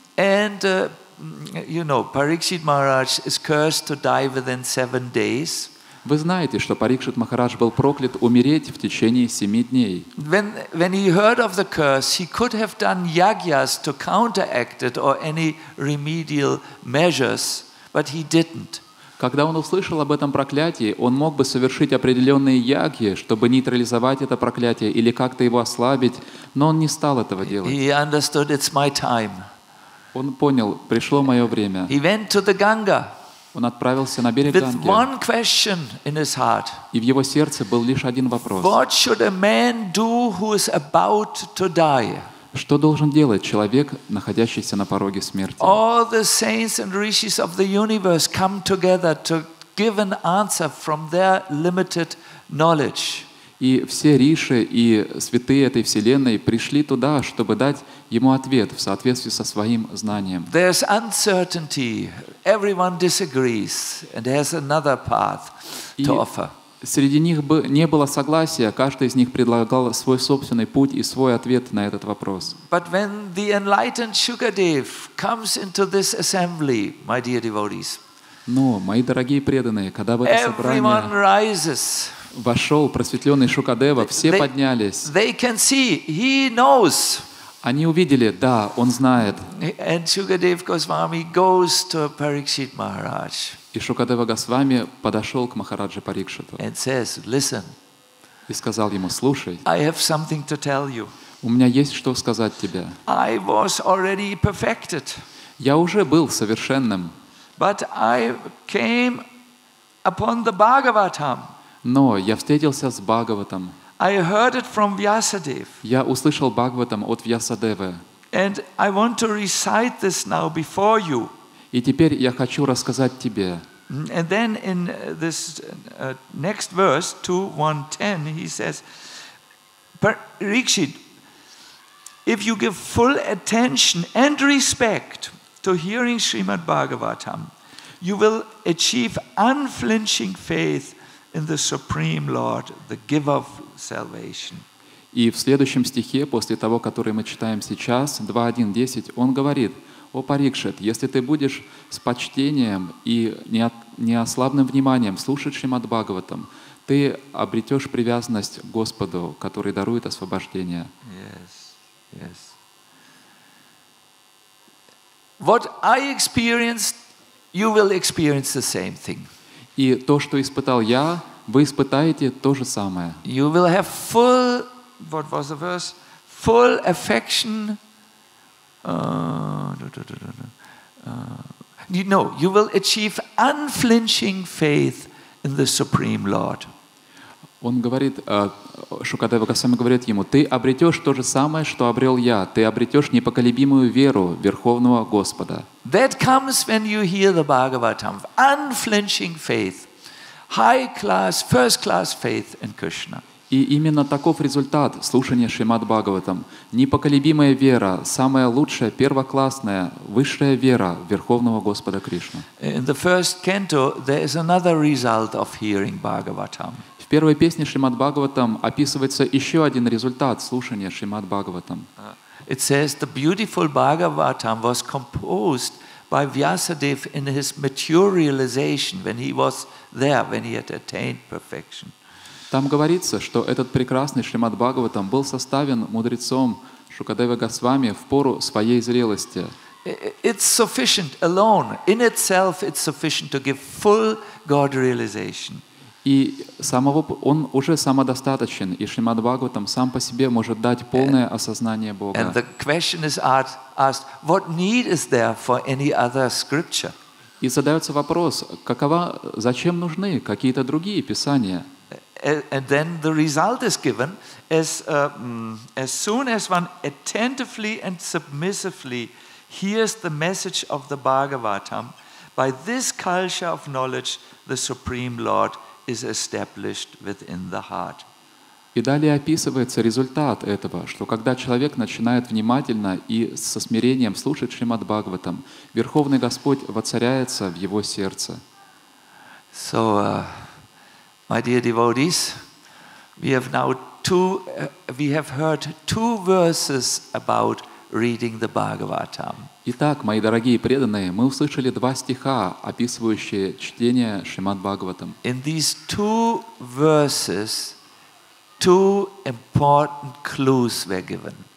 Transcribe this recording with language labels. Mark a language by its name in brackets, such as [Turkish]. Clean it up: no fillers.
[English] And you know, Parikshit Maharaj is cursed to die within 7 days. [Russian] Вы знаете, что Парикшит Махарадж был проклят умереть в течение 7 дней. [English] When he heard of the curse, he could have done yagyas to counteract it or any remedial measures, but he didn't. [Russian] Когда он услышал об этом проклятии, он мог бы совершить определенные яги, чтобы нейтрализовать это проклятие или как-то его ослабить, но он не стал этого делать. [English] He understood it's my time. [Russian] Он понял, пришло мое время. [English] He went to the Ganga. [Russian] Он отправился на берег [English] With [Russian] Ганги. [English] One question in his heart. [Russian] И в его сердце был лишь один вопрос. [English] What should a man do who is about to die? [Russian] Что должен делать человек, находящийся на пороге смерти? [English] All the saints and rishis of the universe come together to give an answer from their limited knowledge. [Russian] И все риши и святые этой вселенной пришли туда, чтобы дать ему ответ в соответствии со своим знанием. [English] There's uncertainty. Everyone disagrees and has another path to offer. [Russian] Среди них бы не было согласия, каждый из них предлагал свой собственный путь и свой ответ на этот вопрос. [English] But when the enlightened Shukadev comes into this assembly, my dear devotees, [Russian] но, мои дорогие преданные, когда в это собрание [English] everyone rises, [Russian] вошел просветленный Шукадева, все поднялись. [English] They can see, he knows. [Russian] Они увидели, да, он знает. [English] And Shukadev Goswami goes to Parikshit Maharaj. [Russian] И Шукадева Госвами подошел к Махараджи Парикшиту. [English] And says, listen. [Russian] И сказал ему, слушай. [English] I have something to tell you. [Russian] У меня есть что сказать тебе. [English] I was already perfected. [Russian] Я уже был совершенным. [English] But I came upon the Bhagavatam. [Russian] Но я встретился с Бхагаватом. [English] I heard it from Vyasadev. [Russian] Я услышал Бхагаватам от Вьясадевы. [English] And I want to recite this now before you. [Russian] И теперь я хочу рассказать тебе. [English] And then in this next verse, 2.1.10, he says, Parikshit, if you give full attention and respect to hearing Srimad Bhagavatam, you will achieve unflinching faith in the Supreme Lord, the giver of salvation. [Russian] И в следующем стихе, после того, который мы читаем сейчас, 2.1.10, он говорит, «О Парикшит, если ты будешь с почтением и неослабным вниманием слушать Шримад Бхагаватам, ты обретешь привязанность к Господу, который дарует освобождение». [English] Yes, yes. What I experienced, you will experience the same thing. [Russian] И то, что испытал я, вы испытаете то же самое. [English] You will have full, what was the verse? Full affection. You will achieve unflinching faith in the Supreme Lord. [Russian] Он говорит, Шукадева Госвами говорит ему, ты обретешь то же самое, что обрел я, ты обретешь непоколебимую веру Верховного Господа. [English] That comes when you hear the Bhagavatam, unflinching faith, high class, first class faith in Krishna. [Russian] И именно таков результат слушания Шримад Бхагаватам. Непоколебимая вера, самая лучшая, первоклассная, высшая вера Верховного Господа Кришны. [English] In the first canto, there is another result of hearing Bhagavatam. [Russian] В первой песне Шримад Бхагаватам описывается еще один результат слушания Шримад Бхагаватам. [English] It says the beautiful Bhagavatam was composed by Vyasadev in his materialization, when he was there, when he had attained perfection. [Russian] Там говорится, что этот прекрасный Шримад Бхагаватам был составен мудрецом Шукадева Госвами в пору своей зрелости. [English] It's sufficient alone. In itself, it's sufficient to give full God realization. [Russian] И самого, он уже самодостаточен, и Шримад Бхагаватам сам по себе может дать полное осознание Бога. [English] And the question is asked, what need is there for any other scripture? [Russian] И задается вопрос, какова, зачем нужны какие-то другие писания? [English] And then the result is given as soon as one attentively and submissively hears the message of the Bhagavatam, by this culture of knowledge, the Supreme Lord is established within the heart. [Russian] И далее описывается результат этого, что когда человек начинает внимательно и со смирением слушать Шримад Бхагаватам, Верховный Господь воцаряется в его сердце. [English] So, my dear devotees, we have heard two verses about reading the Bhagavatam. [Russian] Итак, мои дорогие преданные, мы услышали два стиха, описывающие чтение Шримад Бхагаватам. [English] In these two verses, two important clues were given.